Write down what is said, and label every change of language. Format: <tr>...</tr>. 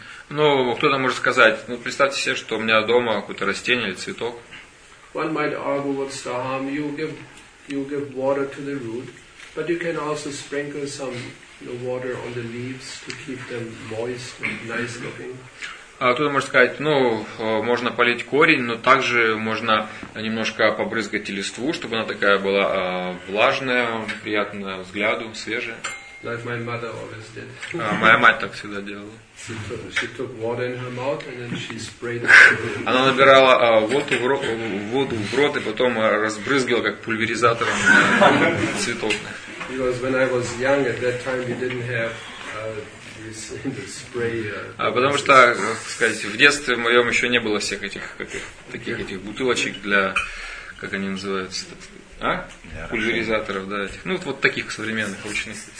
<ru>Ну, кто-то может сказать, ну, представьте себе, что у меня дома какое-то растение или цветок.</ru> <en>One might argue, what's the harm? You give water to the root. But you can also sprinkle some, you know, water on the leaves to keep them moist and nice looking.</en> <ru>А тут можно сказать, ну, можно полить корень, но также можно немножко побрызгать листву, чтобы она такая была влажная, приятная взгляду, свежая.</ru> <en>Like my mother always did.</en> <ru>Моя мать так всегда делала.</ru> <en>She took water in her mouth and then she sprayed it.</en> <ru>Она набирала воду в рот и потом разбрызгивала как пульверизатором цветок.</ru> <en>Because when I was young, at that time we didn't have this spray.</en> <ru>Потому что, как сказать, в детстве моем еще не было всех этих таких бутылочек для, как они называются, пульверизаторов, да, этих. Ну вот таких современных, ручных.</ru>